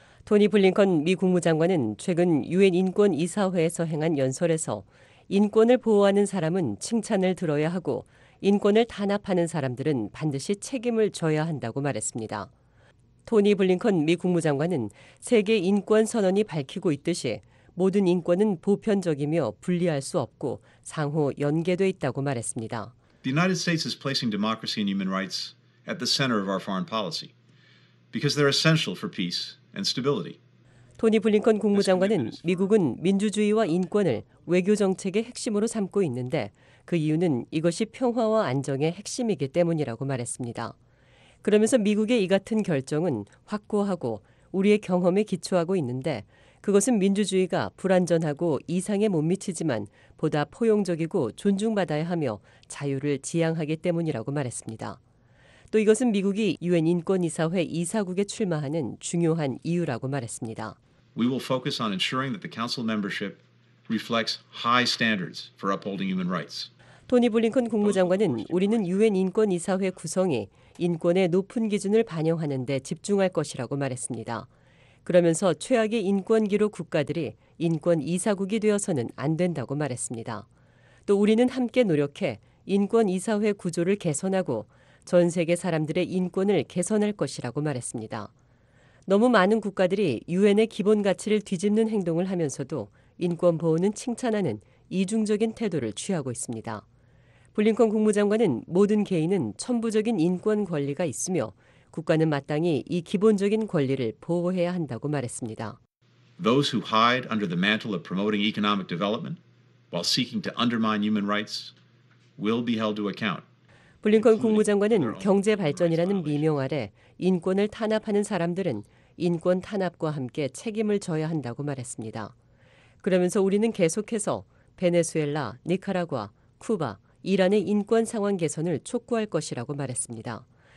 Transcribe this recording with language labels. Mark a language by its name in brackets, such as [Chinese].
[Korean] 토니 블링컨 미 국무장관은 최근 유엔 인권이사회에서 행한 연설에서 인권을 보호하는 사람은 칭찬을 들어야 하고 인권을 탄압하는 사람들은 반드시 책임을 져야 한다고 말했습니다. 토니 블링컨 미 국무장관은 세계 인권 선언이 밝히고 있듯이 모든 인권은 보편적이며 분리할 수 없고 상호 연계돼 있다고 말했습니다. [English] The United States is placing democracy and human rights at the center of our foreign policy because they're essential for peace and stability. [Korean] 토니 블링컨 국무장관은 미국은 민주주의와 인권을 외교 정책의 핵심으로 삼고 있는데 그 이유는 이것이 평화와 안정의 핵심이기 때문이라고 말했습니다. 그러면서 미국의 이 같은 결정은 확고하고 우리의 경험에 기초하고 있는데 그것은 민주주의가 불완전하고 이상에 못 미치지만 보다 포용적이고 존중받아야 하며 자유를 지향하기 때문이라고 말했습니다. 또 이것은 미국이 유엔 인권이사회 이사국에 출마하는 중요한 이유라고 말했습니다. [English] We will focus on ensuring that the council membership reflects high standards for upholding human rights. [Korean] 토니 블링컨 국무장관은 우리는 유엔 인권이사회 구성이 인권의 높은 기준을 반영하는 데 집중할 것이라고 말했습니다. 그러면서 최악의 인권 기록 국가들이 인권 이사국이 되어서는 안 된다고 말했습니다. 또 우리는 함께 노력해 인권 이사회 구조를 개선하고 전 세계 사람들의 인권을 개선할 것이라고 말했습니다. 너무 많은 국가들이 유엔의 기본 가치를 뒤집는 행동을 하면서도 인권 보호는 칭찬하는 이중적인 태도를 취하고 있습니다. 블링컨 국무장관은 모든 개인은 천부적인 인권 권리가 있으며 국가는 마땅히 이 기본적인 권리를 보호해야 한다고 말했습니다. [English] Those who hide under the mantle of promoting economic development while seeking to undermine human rights will be held to account. [Korean] 블링컨 국무장관은 경제 발전이라는 미명 아래 인권을 탄압하는 사람들은 인권 탄압과 함께 책임을 져야 한다고 말했습니다. 그러면서 우리는 계속해서 베네수엘라, 니카라과, 쿠바, 이란의 인권 상황 개선을 촉구할 것이라고 말했습니다.